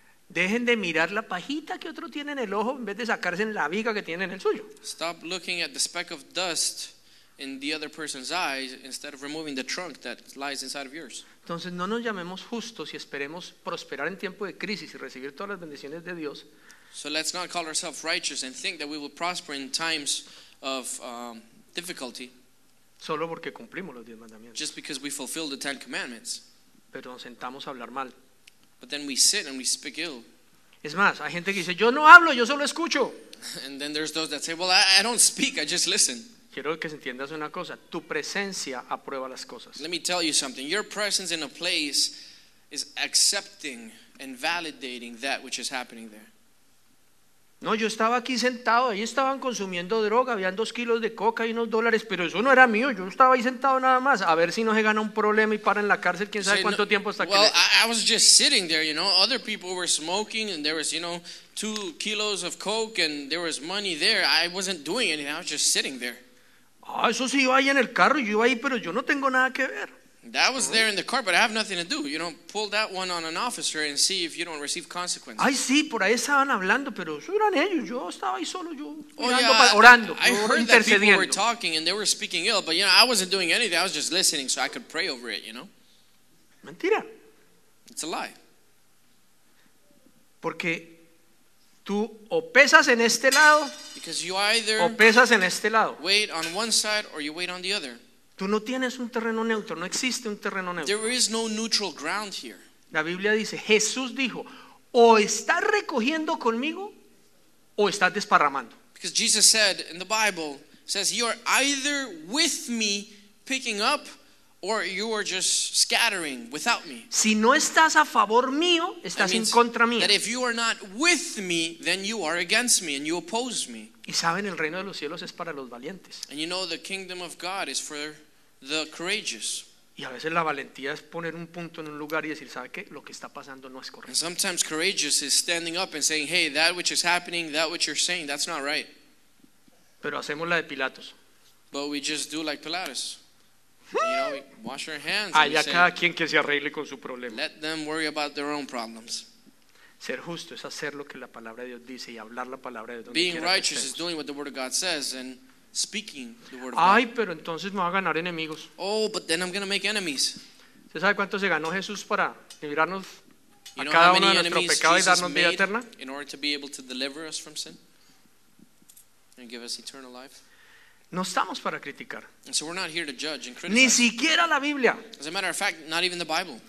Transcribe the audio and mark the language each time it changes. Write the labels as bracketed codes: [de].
[es] Dejen de mirar la pajita que otro tiene en el ojo en vez de sacarse en la viga que tiene en el suyo. [en] Stop looking at the speck of dust in the other person's eyes instead of removing the trunk that lies inside of yours. [es] Entonces no nos llamemos justos y esperemos prosperar en tiempo de crisis y recibir todas las bendiciones de Dios. [en] So let's not call ourselves righteous and think that we will prosper in times of difficulty. [es] Solo porque cumplimos los 10 mandamientos. [en] Just because we fulfill the 10 commandments. [es] Pero nos sentamos a hablar mal. [en] But then we sit and we speak ill. [es] Es más, hay gente que dice, yo no hablo, yo solo escucho. [en] And then there's those that say, well, I don't speak, I just listen. [es] Quiero que entiendas una cosa, tu presencia aprueba las cosas. [en] Let me tell you something. Your presence in a place is accepting and validating that which is happening there. [es] No, yo estaba aquí sentado, ahí estaban consumiendo droga, habían 2 kilos de coca y unos dólares, pero eso no era mío, yo estaba ahí sentado nada más, a ver si no se gana un problema y para en la cárcel, quién sabe cuánto tiempo hasta que... [en] Well, I was just sitting there, you know, other people were smoking and there was, you know, 2 kilos of coke and there was money there, I wasn't doing anything, I was just sitting there. [es] Ah, eso sí, iba ahí en el carro, yo iba ahí, pero yo no tengo nada que ver. [en] That was there in the car, but I have nothing to do. You know, pull that one on an officer and see if you don't receive consequences. [es] Ay, sí, por ahí estaban hablando, pero eso eran ellos. Yo estaba ahí solo, yo orando, intercediendo. [en] I heard that people were talking and they were speaking ill, but you know, I wasn't doing anything. I was just listening so I could pray over it, you know? [es] Mentira. [en] It's a lie. [es] Porque tú o pesas en este lado, [en] because you either weigh on one side or you weigh on the other. [es] Tú no tienes un terreno neutro, no existe un terreno neutro. [en] There is no neutral ground here. [es] La Biblia dice, Jesús dijo, o estás recogiendo conmigo o estás desparramando. [en] Because Jesus said in the Bible, says you are either with me picking up or you are just scattering without me. [es] Si no estás a favor mío, estás en contra mío. [en] That if you are not with me, then you are against me and you oppose me. [es] Y saben, el reino de los cielos es para los valientes. [en] And you know the kingdom of God is for the courageous. [es] Y a veces la valentía es poner un punto en un lugar y decir, ¿sabe qué? Lo que está pasando no es correcto. [en] And sometimes courageous is standing up and saying, hey, that which is happening, that which you're saying, that's not right. [es] Pero hacemos la de Pilatos. [en] But we just do like Pilatus. You know, we wash our hands. [es] Allá cada quien que se arregle con su problema. [en] Let them worry about their own problems. [es] Ser justo es hacer lo que la palabra de Dios dice y hablar la palabra de Dios. [en] Being righteous is doing what the word of God says and speaking the word of God. [es] Ay, pero entonces me va a ganar enemigos. [en] Oh, but then I'm going to make enemies. [es] ¿Se sabe cuánto se ganó Jesús para librarnos a cada uno de nuestros pecados y darnos vida eterna? [en] In order to be able to deliver us from sin and give us eternal life. [es] No estamos para criticar. [en] So we're not here to judge and criticize. [es] Ni siquiera la Biblia. [en] As a matter of fact, not even the Bible.